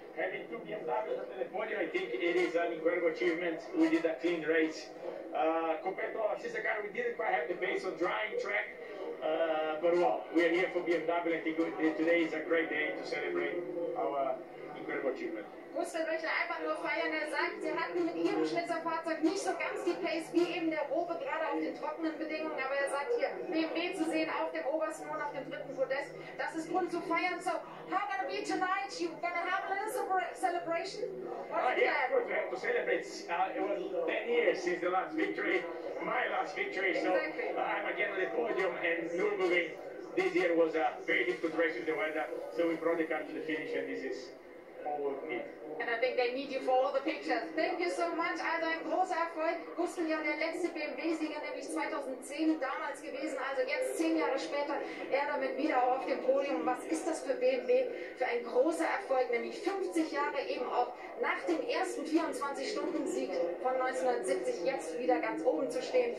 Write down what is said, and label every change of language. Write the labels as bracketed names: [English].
[English] Having two BMWs on the podium, I think it is an incredible achievement. We did a clean race. Compared to our sister car, we didn't quite have the pace on drying track. But well, we are here for BMW. I think today is a great day to celebrate our incredible achievement. [German] Gustav möchte einfach nur feiern. Er sagt, sie hatten mit ihrem Schnitzerfahrzeug nicht so ganz die Pace wie eben der Robe, gerade auf den trockenen Bedingungen. Aber er sagt hier, BMW zu sehen auf dem obersten und auf dem dritten Podest, das ist Grund zu feiern. [English] So, how gonna be tonight? You gonna have a little celebration? Of course, we have to celebrate. It was 10 years since the last victory, my last victory. So, exactly. I'm again on the podium in Nürburgring. This year was a very difficult race with the weather. So, we brought the car to the finish, and this is. And I think they need you for all the pictures. Thank you so much. [German] Also ein großer Erfolg. Gustl, ja, der letzte BMW-Sieger, nämlich 2010 damals gewesen. Also jetzt 10 Jahre später, er damit wieder auf dem Podium. Was ist das für BMW? Für ein großer Erfolg, nämlich 50 Jahre eben auch nach dem ersten 24-Stunden-Sieg von 1970 jetzt wieder ganz oben zu stehen.